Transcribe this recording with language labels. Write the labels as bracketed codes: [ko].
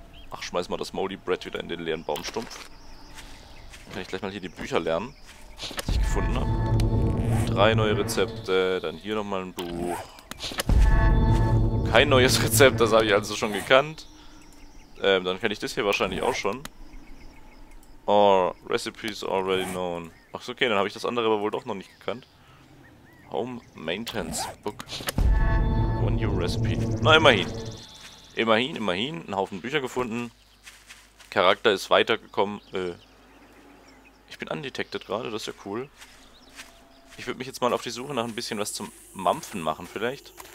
[de] Ach, schmeiß mal das Moldy Bread wieder in den leeren Baumstumpf. Kann ich gleich mal hier die Bücher lernen, die ich gefunden habe. Drei neue Rezepte, dann hier nochmal ein Buch. Kein neues Rezept, das habe ich also schon gekannt. Dann kenne ich das hier wahrscheinlich auch schon. [en] Oh, Recipes already known. [de] Ach so, okay, dann habe ich das andere aber wohl doch noch nicht gekannt. [en] Home Maintenance Book. One new recipe. [de] Na, immerhin. Immerhin, immerhin. Ein Haufen Bücher gefunden. Charakter ist weitergekommen. Ich bin undetected gerade, das ist ja cool. Ich würde mich jetzt mal auf die Suche nach ein bisschen was zum Mampfen machen vielleicht.